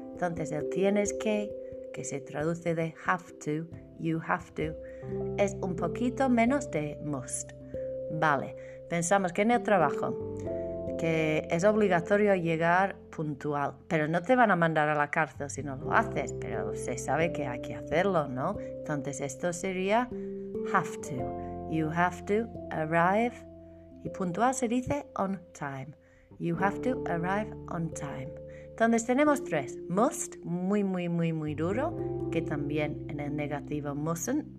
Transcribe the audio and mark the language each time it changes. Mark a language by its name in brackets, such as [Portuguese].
[Spanish] Entonces el tienes que se traduce de [English] have to, you have to, [Spanish] es un poquito menos de must. Vale, pensamos que en el trabajo, que es obligatorio llegar puntual, pero no te van a mandar a la cárcel si no lo haces, pero se sabe que hay que hacerlo, ¿no? Entonces esto sería [English] have to. You have to arrive, [Spanish] y puntual se dice [English] on time. You have to arrive on time. [Spanish] Entonces tenemos tres. Must, muy, muy, muy, muy duro, que también en el negativo mustn't.